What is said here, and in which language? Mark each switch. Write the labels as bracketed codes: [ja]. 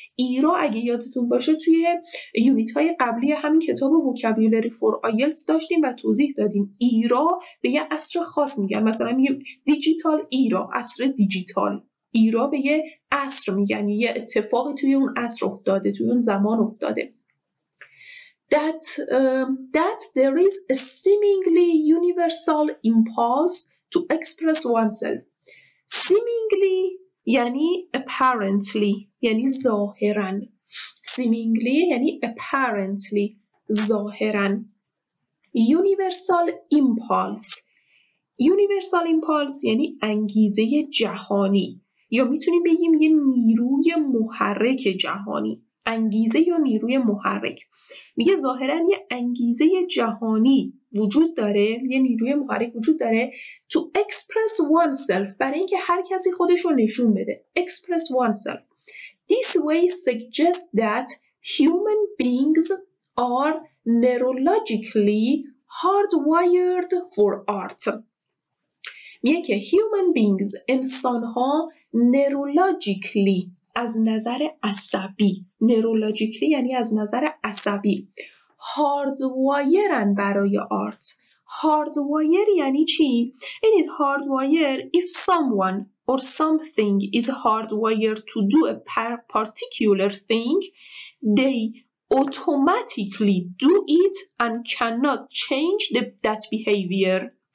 [fa] ایرا اگه یادتون باشه توی یونیت های قبلی همین کتاب Vocabulary for IELTS داشتیم و توضیح دادیم ایرا به یه عصر خاص میگن، مثلا میگیم دیجیتال ایرا، عصر دیجیتال ایرا به یه عصر میگن، یه اتفاقی توی اون عصر افتاده، توی اون زمان افتاده. [en] That there is a seemingly universal impulse to express oneself. [fa] Seemingly یعنی apparently، یعنی ظاهراً. Seemingly یعنی apparently، ظاهراً. [en] Universal impulse. [fa] Universal impulse یعنی انگیزه جهانی، یا میتونیم بگیم یه نیروی محرک جهانی. انگیزه یا نیروی محرک. میگه ظاهراً یه انگیزه جهانی وجود داره، یه نیروی محرک وجود داره [en] to express oneself، [fa] برای اینکه هر کسی خودش رو نشون بده. [en] Express oneself. This way suggests that human beings are neurologically hardwired for art. [fa] میگه که human beings، انسان‌ها، neurologically از نظر عصبی، نورولوژیکلی یعنی از نظر عصبی، هاردوایرن برای آرت. هاردوایر یعنی چی؟ اینید هاردوایر، [en] if someone or something is hardwired to do a particular thing, they automatically do it and cannot change that behavior.